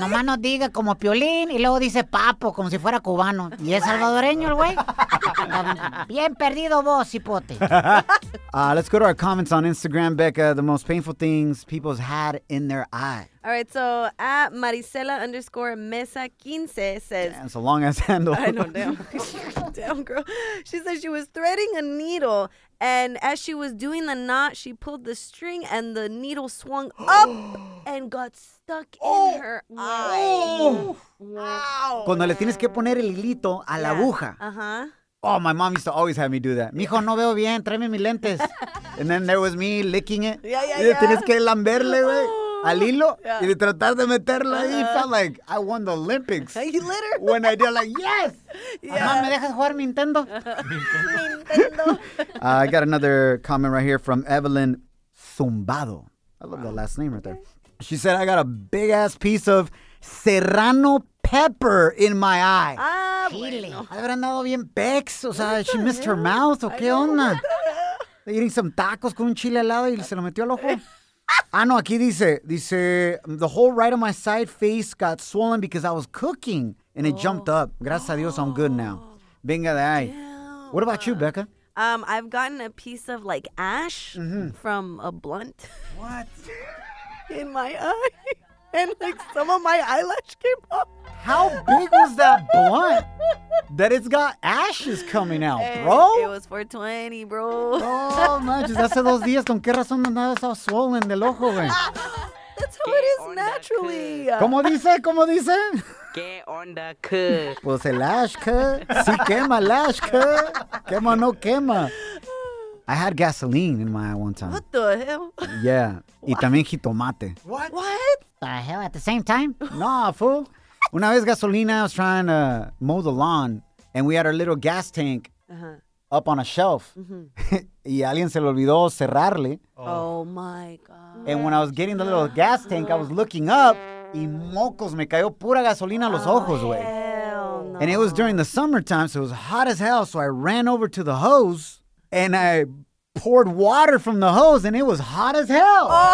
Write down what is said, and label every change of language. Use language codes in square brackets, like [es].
[es] Nomás nos diga como Piolín y luego dice papo, como si fuera cubano. Y es salvadoreño el güey. Bien perdido vos, cipote. [en] Let's go to our comments on Instagram, Becca. The most painful things people's had in their eye. All right, so at Maricela_Mesa15 says... Yeah, it's a long-ass handle. I know, damn. Damn, girl. She says she was threading a needle, and as she was doing the knot, she pulled the string, and the needle swung up and got stuck in her eye. Wow. [es] Cuando le tienes que poner el hilito a la aguja. Uh-huh. [en] Oh, my mom used to always have me do that. [es] Mijo, no veo bien. Tráeme mis lentes. [en] And then there was me licking it. Yeah. [es] Tienes que lamberle, güey. Al hilo, yeah. Y de tratar de meterla ahí, [en] felt like I won the Olympics. You literally. When I did, like, yes! Yeah. Mom, [es] ¿me dejas jugar Nintendo? [en] Nintendo. I got another comment right here from Evelyn Zumbado. I love that last name right there. She said, I got a big-ass piece of serrano pepper in my eye. [es] Chile. Habrá andado bien pex. O sea, [en] she missed her mouth. [es] ¿O qué onda? [en] Eating some tacos [es] con un chile al lado y se lo metió al ojo. Ah, no, aquí dice, [en] the whole right of my side face got swollen because I was cooking, and it jumped up. [es] Gracias a Dios, [en] I'm good now. [es] Venga de ahí. [en] Damn. What about you, Becca? I've gotten a piece of, like, ash from a blunt. What? In my eye, and, like, some of my eyelash came up. How big was that blunt that it's got ashes coming out, bro? It was 420, bro. [es] Oh, manches. Hace dos días, ¿con qué razón andaba [en] so swollen [es] del ojo, güey? [en] That's how it is naturally. [es] ¿Cómo dice? ¿Cómo dice? ¿Qué onda, cuh? Pues el ash, cuh. Sí quema el ash, cuh. Quema no quema. [en] I had gasoline in my eye one time. What the hell? Yeah. What? [es] Y también jitomate. [en] What? What? The hell, at the same time? Nah, fool. [es] Una vez gasolina, [en] I was trying to mow the lawn, and we had our little gas tank up on a shelf. [es] Mm-hmm. Y alguien se le olvidó cerrarle. [en] Oh, my God. And when I was getting the little gas tank, I was looking up, [es] y mocos, me cayó pura gasolina a los ojos, güey. [en] No. And it was during the summertime, so it was hot as hell, so I ran over to the hose, and I poured water from the hose, and it was hot as hell.